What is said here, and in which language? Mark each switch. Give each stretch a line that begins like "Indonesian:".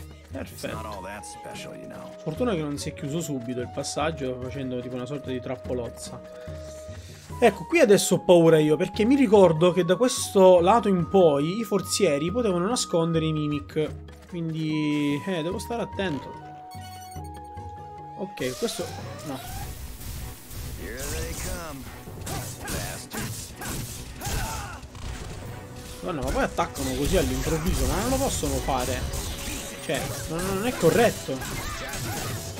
Italian: Perfetto. Fortuna che non si è chiuso subito il passaggio, facendo tipo una sorta di trappolozza. Ecco, qui adesso ho paura io, perché mi ricordo che da questo lato in poi i forzieri potevano nascondere i mimic. Quindi devo stare attento. Ok, questo... no.
English: Here they come, bastards.
Italian: Madonna, ma poi attaccano così all'improvviso, ma non lo possono fare. Cioè, non è corretto.